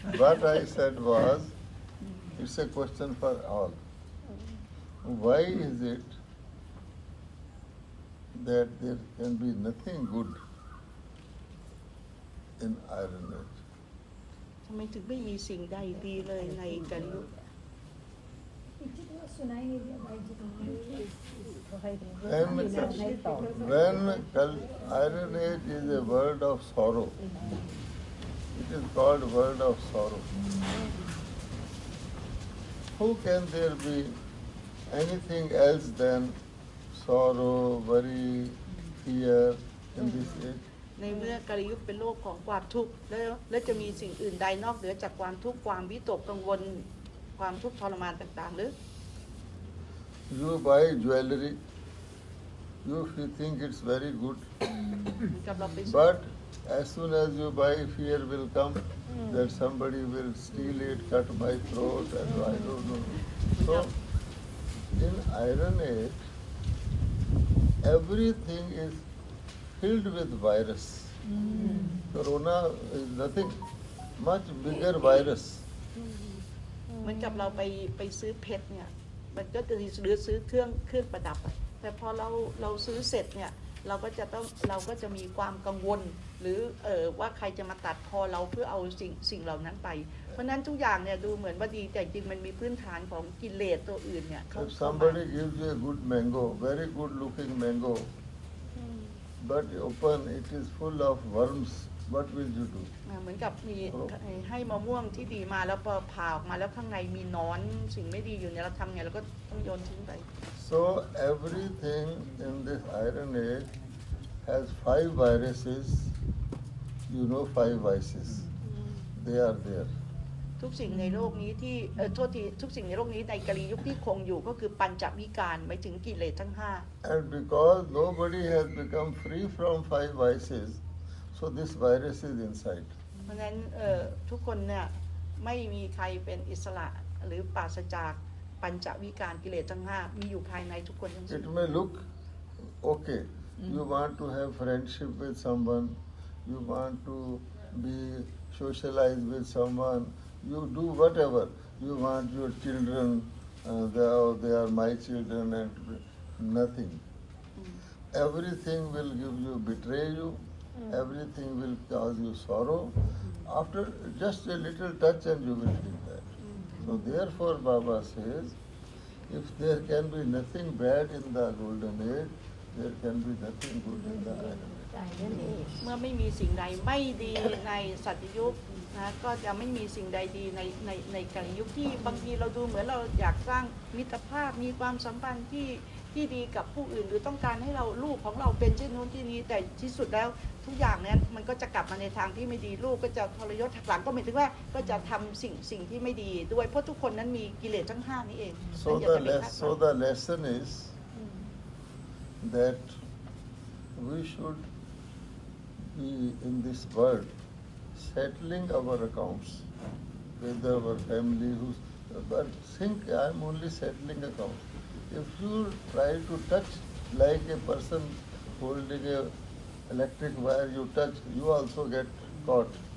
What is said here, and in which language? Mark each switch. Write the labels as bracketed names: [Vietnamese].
[English] What I said was, it's a question for all. why is it that there can be nothing good in iron age? [Thai] ทำไมถึงไม่มีสิ่งใดดีเลยในกัลยุค [English] When Iron Age is a world of sorrow, it is called world of sorrow. Who can there be anything else than sorrow, worry, fear in this age? [Thai] ในเมื่อกาลยุคเป็นโลกของความทุกข์แล้วจะมีสิ่งอื่นใดนอกเหนือจากความทุกข์ความวิตกกังวลความทุกข์ทรมานต่างๆหรือ [English] You buy jewelry. You think it's very good. But as soon as you buy, fear will come that somebody will steal it, cut my throat, and I don't know. So in Iron Age, everything is filled with virus. Corona is nothing, much bigger virus. [Thai] เหมือนกับเราไปซื้อเพชรเนี่ยมันก็จะซื้อเครื่องประดับแต่พอเราซื้อเสร็จเนี่ยเราก็จะมีความกังวลหรือว่าใครจะมาตัดคอเราเพื่อเอาสิ่งเหล่านั้นไปเพราะนั้นทุกอย่างเนี่ยดูเหมือนว่าดีแต่จริงมันมีพื้นฐานของกิเลสตัวอื่นเนี่ย [English] If somebody gives you a good mango, very good looking mango, but you open it is full of worms, what will you do? [Thai] เหมือนกับมีให้มะม่วงที่ดีมาแล้วพอผ่าออกมาแล้วข้างในมีนอนสิ่งไม่ดีอยู่เนี่ยเราทำไงเราก็ต้องโยนทิ้งไป [English] So everything in this Iron Age has five viruses. You know five vices. They are there. [Thai] ทุกสิ่งในโลกนี้ที่โทษทีทุกสิ่งในโลกนี้ในกาลยุคที่คงอยู่ก็คือปัญจวิการไม่ถึงกิเลสทั้ง5 [English] And because nobody has become free from five vices. So this virus is inside. [Thai] เพราะฉะนั้นทุกคนเนี่ยไม่มีใครเป็นอิสระหรือปราศจากปัญจวิการกิเลสทั้ง5มีอยู่ภายในทุกคนทั้ งสิ้ น [English] It may look okay. You want to have friendship with someone. You want to be socialized with someone. You do whatever. You want your children. They are my children and nothing. Everything will give you betray you. Everything will cause you sorrow. After just a little touch and you will feel that. So therefore Baba says, if there can be nothing bad in the golden age, there can be nothing good in the iron age. [Thai] เมื่อไม่มีสิ่งใดไม่ดีในสัตยุคนะก็จะไม่มีสิ่งใดดีในกาลยุคที่บางทีเราดูเหมือนเราอยากสร้างมิตรภาพมีความสัมพันธ์ที่ดีกับผู้อื่นหรือต้องการให้เราลูกของเราเป็นเช่นนู้นที่นี้แต่ที่สุดแล้วทุกอย่างนั้นมันก็จะกลับมาในทางที่ไม่ดีลูกก็จะทรยศหักหลังก็หมายถึงว่าก็จะทำสิ่งที่ไม่ดีด้วยเพราะทุกคนนั้นมีกิเลสทั้ง5นี้เอง [English] So the lesson is that we should be in this world settling our accounts with our family but think I'm only settling accountsIf you try to touch like a person holding a electric wire, you touch, you also get caught.